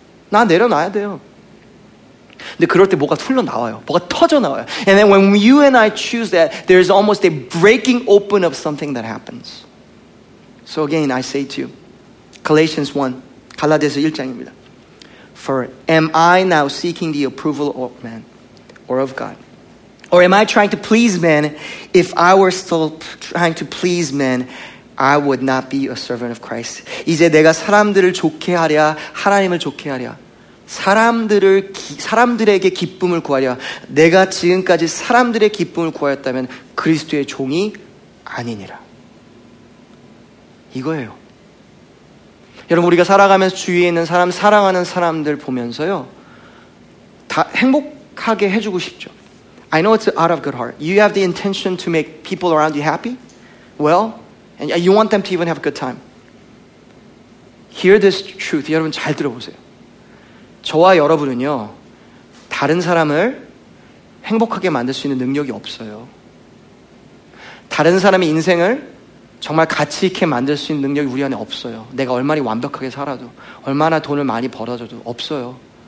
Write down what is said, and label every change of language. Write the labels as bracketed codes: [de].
[ko] 나 내려놔야 돼요. 근데 그럴 때 뭐가 흘러나와요. 뭐가 터져나와요. [en] And then when you and I choose that, there's almost a breaking open of something that happens. So again, I say to you, Galatians 1, [ko] 갈라디아서 1장입니다. [en] For am I now seeking the approval of man or of God? Or am I trying to please men? If I were still trying to please men, I would not be a servant of Christ. [ko] 이제 내가 사람들을 좋게 하랴, 하나님을 좋게 하랴, 사람들에게 기쁨을 구하랴. 내가 지금까지 사람들의 기쁨을 구하였다면 그리스도의 종이 아니니라. 이거예요. 여러분, 우리가 살아가면서 주위에 있는 사람, 사랑하는 사람들 보면서요, 다 행복하게 해주고 싶죠. [en] I know it's out of good heart. You have the intention to make people around you happy, well, and you want them to even have a good time. Hear this truth. [ko] 여러분, 잘 들어보세요. 저와 여러분은요, 다른 사람을 행복하게 만들 수 있는 능력이 없어요. 다른 사람의 인생을 정말 가치 있게 만들 수 있는 능력이 우리 안에 없어요. 내가 얼마나 완벽하게 살아도, 얼마나 돈을 많이 벌어줘도 없어요.